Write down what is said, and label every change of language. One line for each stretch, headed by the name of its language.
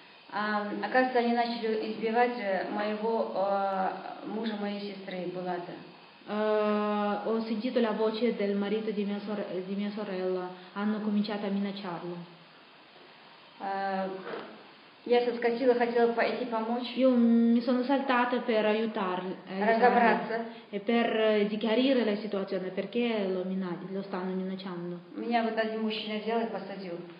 Russian: Оказывается, они начали избивать моего мужа моей сестры Булата.
Italian: Ho sentito la voce del marito di mia sorella. Hanno cominciato a minacciarlo.
Russian: Я соскочила, хотела пойти помочь.
Italian: Io mi sono saltata per aiutarli.
Russian: Разобраться.
Italian: E per chiarire la situazione, perché lo stanno minacciando.
Russian: Меня вот один мужчина взял и посадил.